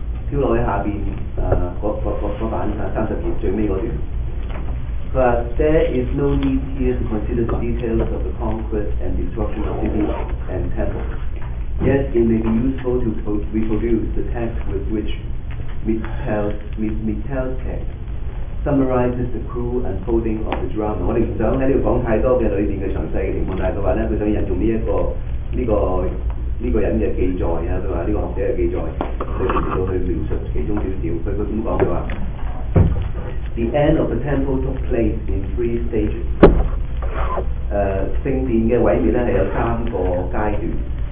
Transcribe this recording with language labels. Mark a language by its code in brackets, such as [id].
[yue] 跳落去下邊嗰版30頁最尾嗰段。 [en] But there is no need here to consider the details of the conquest and destruction of cities and temples. Yet it may be useful to reproduce the text with which Mitel's text summarizes the cruel unfolding of the drama. [yue] 我哋唔想喺呢度講太多嘅裏邊嘅詳細嘅情況，但係佢話咧，佢想引用呢個人嘅記載啊，佢話呢個學者嘅記載，佢嚟到去描述其中少少。佢點講？佢話 [en] ：The end of the temple took place in 3 stages. [yue] 聖殿嘅毀滅咧係有3個階段。